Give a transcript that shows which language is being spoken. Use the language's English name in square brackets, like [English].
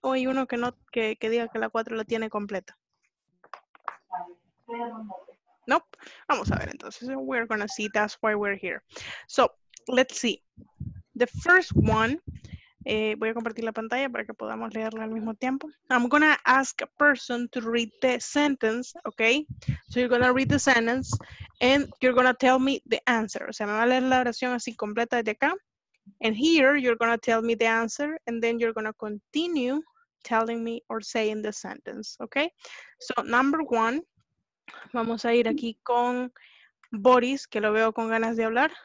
[Spanish] ¿O hay uno que no, que diga que la cuatro la tiene completa? [English] Nope. [Spanish] Vamos a ver entonces. [English] We're gonna see. That's why we're here. So, let's see. The first one. [Spanish] Voy a compartir la pantalla para que podamos leerla al mismo tiempo. [English] I'm gonna ask a person to read the sentence, okay? So you're gonna read the sentence and you're gonna tell me the answer. [Spanish] O sea, me va a leer la oración así completa desde acá. [English] And here you're gonna tell me the answer and then you're gonna continue telling me or saying the sentence, okay? So, number one. [Spanish] Vamos a ir aquí con Boris, que lo veo con ganas de hablar.